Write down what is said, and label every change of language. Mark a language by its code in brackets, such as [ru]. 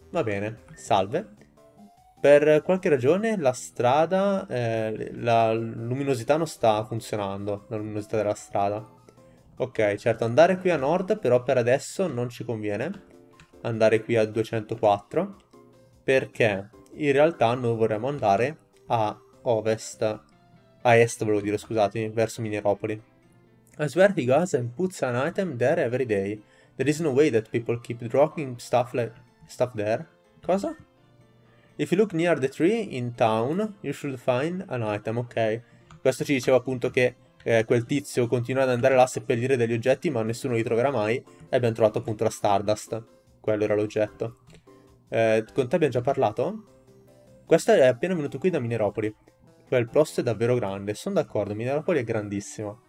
[it] Va bene, salve. Per qualche ragione la strada, la luminosità non sta funzionando, la luminosità della strada. Ok, certo, andare qui a nord però per adesso non ci conviene andare qui a 204, perché in realtà noi vorremmo andare a ovest, a est volevo dire, scusatemi, verso Mineropoli. [en] I swear he goes and puts an item there every day. There is no way that people keep dropping stuff there. [it] Cosa? [en] If you look near the tree in town, you should find an item, ok? [it] Questo ci diceva appunto che quel tizio continua ad andare là a seppellire degli oggetti, ma nessuno li troverà mai. E abbiamo trovato appunto la Stardust. Quello era l'oggetto. Con te abbiamo già parlato? Questo è appena venuto qui da Mineropoli. Quel posto è davvero grande. Sono d'accordo, Mineropoli è grandissimo.